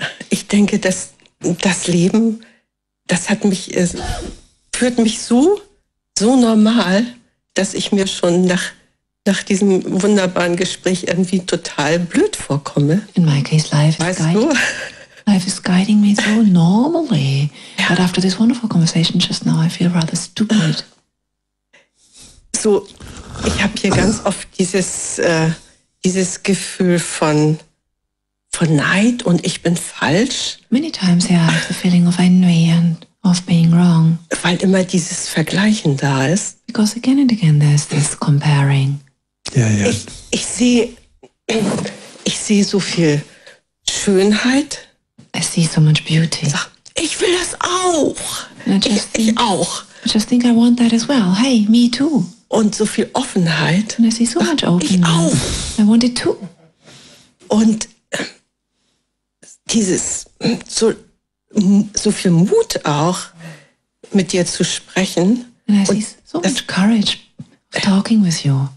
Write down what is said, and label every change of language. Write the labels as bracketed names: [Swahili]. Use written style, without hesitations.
[German] Ich denke, dass das Leben, das hat mich, führt mich so normal, dass ich mir schon nach diesem wunderbaren Gespräch irgendwie total blöd vorkomme. [English] In my case, life is [German] weißt [English] guiding. [German] Du? [English] Life is guiding me so normally. Yeah. But after this wonderful conversation just now, I feel rather stupid. [German] So, ich habe hier ganz oft dieses Gefühl von Neid und ich bin falsch. [English] Many times I have the feeling of envy and of being wrong. [German] Weil immer dieses Vergleichen da ist. [English] Because again and again there's this comparing. Yeah, yeah. [German] Ich sehe so viel Schönheit. [English] I see so much beauty. [German] Ich will das auch. Ich auch. [English] I just think I want that as well. Hey, me too. [German] Und so viel Offenheit. [English] And I see so much openness. [German] Ich auch. [English] I want it too. [German] Und dieses, so viel Mut auch, mit dir zu sprechen. [English] And I see so much courage talking with you.